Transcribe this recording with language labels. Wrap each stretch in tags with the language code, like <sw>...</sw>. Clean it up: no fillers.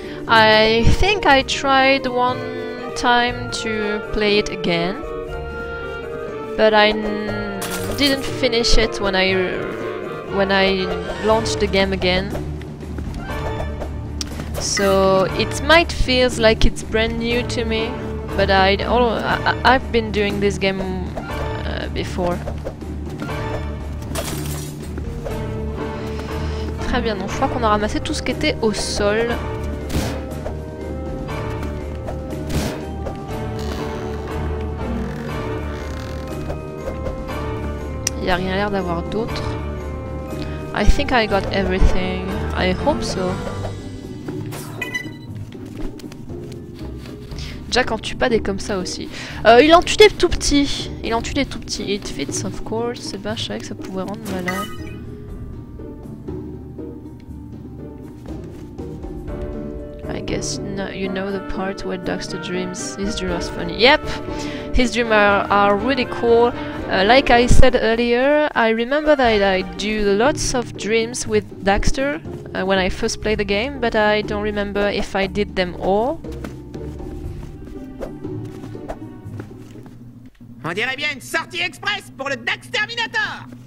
<en>I think I tried one time to play it again, but I didn't finish it when I launched the game again. So it might feel like it's brand new to me, but I've been doing this game before.</en> <fr>Très bien, donc je crois qu'on a ramassé tout ce qui était au sol. Y a rien l'air d'avoir d'autre.</fr> <en>I think I got everything. I hope so.</en> <fr>Jack en tue pas des comme ça aussi. Il en tue des tout petits. Il en tue des tout petits.</fr> <en>It fits, of course.</en> <fr>C'est bien, je savais que ça pouvait rendre malade.</fr> <en>I guess you know the part where Daxter dreams. His dream was funny. Yep, his dreams are really cool. Like I said earlier, I remember that I do lots of dreams with Daxter when I first played the game, but I don't remember if I did them all.</en> <fr>On dirait bien une sortie express pour le Daxterminator!</fr>